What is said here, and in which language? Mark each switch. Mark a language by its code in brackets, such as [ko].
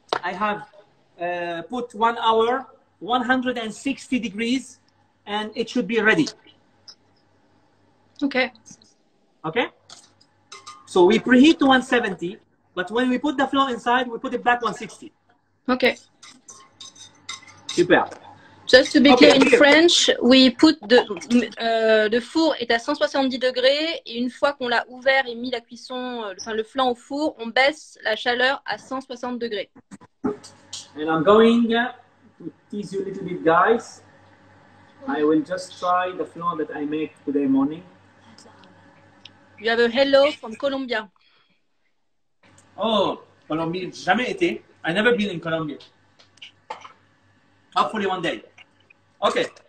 [en] I have put 1 hour, 160 degrees, and it should be ready. Okay. Okay? So we preheat to 170, but when we put the flour inside, we put it back 160. Okay. Super. Just to be clear, in French, we put the [fr] four est à 170 degrés et une fois qu'on l'a ouvert et mis la cuisson, enfin le flan au four, on baisse la chaleur à 160 degrés. [en] And I'm going to tease you a little bit, guys. I will just try the flan that I made today morning. You have a hello from Colombia. Oh, Colombia, [fr] jamais été. [en] I never been in Colombia. Hopefully one day. Okay.